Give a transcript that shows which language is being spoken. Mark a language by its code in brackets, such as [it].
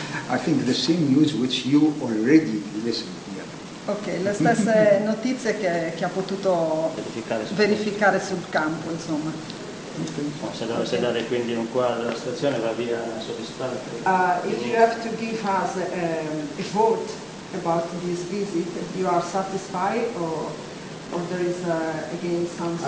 [en] I think the same news which you already listened here. [it] Ok, le stesse notizie che ha potuto verificare sul campo, insomma. Se dovesse okay. dare quindi un quadro della situazione, va via soddisfatto. [en] If you have to give us a vote about this visit, you are satisfied or there is again something?